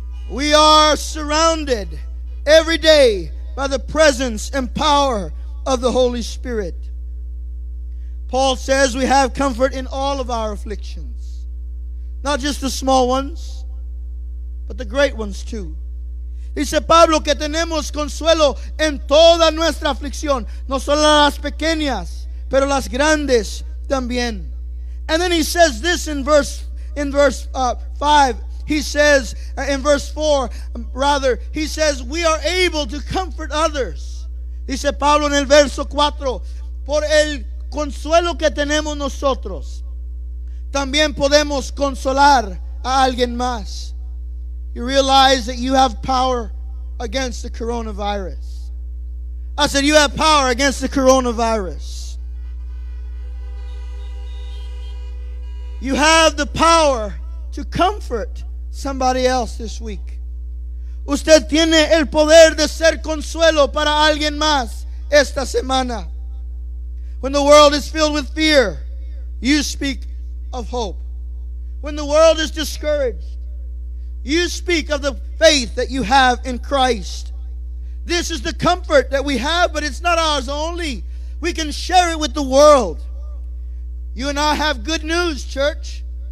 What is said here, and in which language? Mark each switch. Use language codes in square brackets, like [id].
[en] We are surrounded every day by the presence and power of the Holy Spirit. Paul says we have comfort in all of our afflictions, not just the small ones, but the great ones too. [es] Dice Pablo que tenemos consuelo en toda nuestra aflicción, no solo las pequeñas, pero las grandes también. [en] And then he says this in verse 4, he says, we are able to comfort others. [es] Dice Pablo en el verso 4, por el consuelo que tenemos nosotros, también podemos consolar a alguien más. [en] You realize that you have power against the coronavirus. I said, you have power against the coronavirus. You have the power to comfort somebody else this week. [es] Usted tiene el poder de ser consuelo para alguien más esta semana. [en] When the world is filled with fear, you speak of hope. When the world is discouraged, you speak of the faith that you have in Christ. This is the comfort that we have, but it's not ours only. We can share it with the world. You and I have good news, church.